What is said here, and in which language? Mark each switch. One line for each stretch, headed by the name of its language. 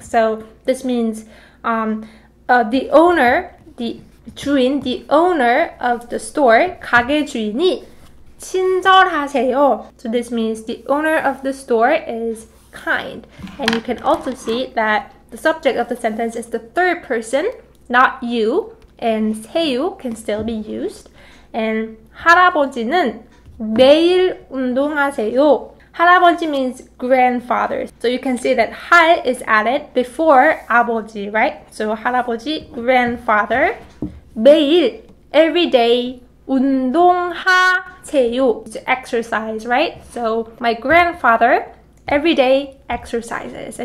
English: So this means the owner, the 주인, the owner of the store,
Korean: 가게 주인이 친절하세요.
English: So this means the owner of the store is kind. And you can also see that the subject of the sentence is the third person, not you, and 세요 can still be used.
Korean: And 할아버지는 매일 운동하세요.
English: 할아버지 means grandfather. So you can see that 할 is added before 아버지, right? So 할아버지, grandfather. 매일, every day, 운동하세요. To exercise, right? So my grandfather, every day, exercises.